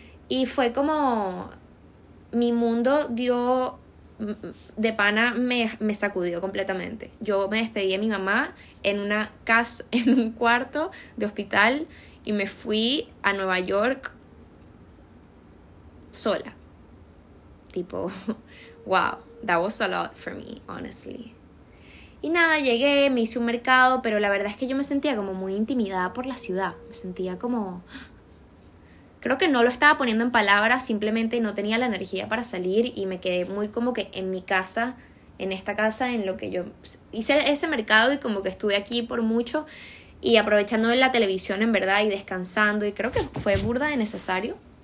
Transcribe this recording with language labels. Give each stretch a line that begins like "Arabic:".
Spanish: Y fue como, mi mundo dio, de pana me sacudió completamente. Yo me despedí de mi mamá en una casa, en un cuarto de hospital y me fui a Nueva York sola. Tipo,
English: wow, that was a lot for me, honestly.
Spanish: Y nada, llegué, me hice un mercado, pero la verdad es que yo me sentía como muy intimidada por la ciudad. Me sentía como, creo que no lo estaba poniendo en palabras, simplemente no tenía la energía para salir y me quedé muy como que en mi casa, en esta casa, en lo que yo hice ese mercado y como que estuve aquí por mucho y aprovechando la televisión en verdad y descansando y creo que fue burda de necesario.